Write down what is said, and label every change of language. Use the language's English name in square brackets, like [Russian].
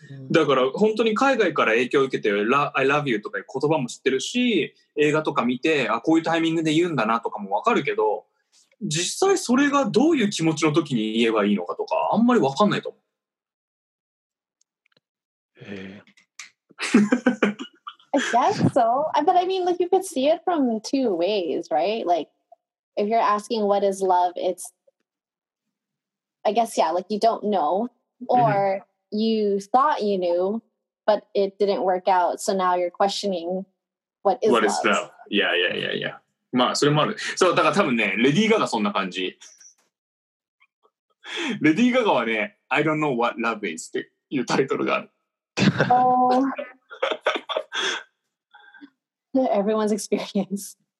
[Japanese] だから本当に海外から影響を受けて [English] I love you [Japanese] とか言葉も知ってるし映画とか見てあこういうタイミングで言うんだなとかも分かるけど実際それがどういう気持ちの時に言えばいいのかとかあんまり分かんないと思う、 [English] I guess so but I mean like you could see it from two ways right like if you're asking what is love it's I guess yeah like you don't know orYou thought you knew, but it didn't work out. So now you're questioning what is love. What is love? Yeah. [Japanese] まあ、それもある。そう、だから多分ね、レディー・ガガそんな感じ。レディー・ガガはね、I don't know what love is っていうタイトルがある。 [English] Everyone's experience.